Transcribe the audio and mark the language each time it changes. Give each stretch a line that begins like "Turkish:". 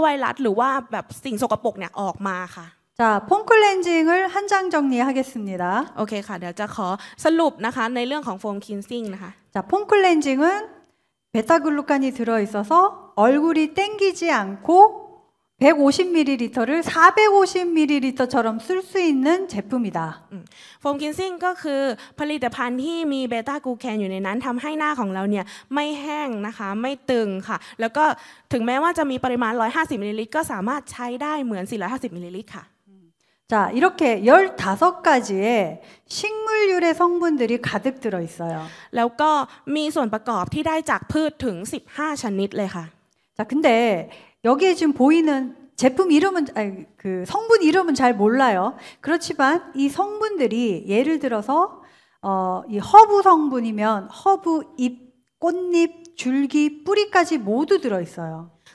Thai: ก็คือที่บอกให้ตีฟองโฟมให้ละเอียดเนี่ยเพราะว่าอนุภาคของฟองโฟมของเรายิ่งเล็กลงอะค่ะมันจะยิ่งเข้าสู่รูขุมขนของเราได้ง่ายขึ้นแล้วพอมันเข้าสู่รูขุมขนของเราเนี่ยมันก็จะไปดันเอาพวกเชื้อไวรัสหรือว่าแบบสิ่งสกปรกเนี่ยออกมาค่ะ.
Korean: 자, 폼클렌징을 한 장 정리하겠습니다. 오케이 okay, 카드.
Thai: 자, ขอสรุปนะคะในเรื่องของโฟมคลีนซิ่งนะคะ.
Korean: 자, 폼클렌징은 베타글루칸이 들어 있어서 얼굴이 땡기지 않고 150ml를 450ml처럼 쓸 수 있는 제품이다.
Thai: 폼클렌징ก็คือผลิตภัณฑ์ที่มีเบต้ากลูแคนอยู่ในนั้นทำให้หน้าของเราเนี่ยไม่แห้งนะคะไม่ตึงค่ะแล้วก็ถึงแม้ว่าจะมีปริมาณ 150ml ก็สามารถใช้ได้เหมือน450ml ค่ะ.
Korean: 자, 이렇게 15가지의 식물유래 성분들이 가득 들어 있어요. 그리고
Thai: มีส่วนประกอบที่ได้จากพืชถึง15ชนิดเลยค่ะ.
Korean: 자, 근데 여기에 지금 보이는 제품 이름은 아니, 그 성분 이름은 잘 몰라요. 그렇지만 이 성분들이 예를 들어서 이 허브 성분이면 허브 잎, 꽃잎, 줄기, 뿌리까지 모두 들어 있어요.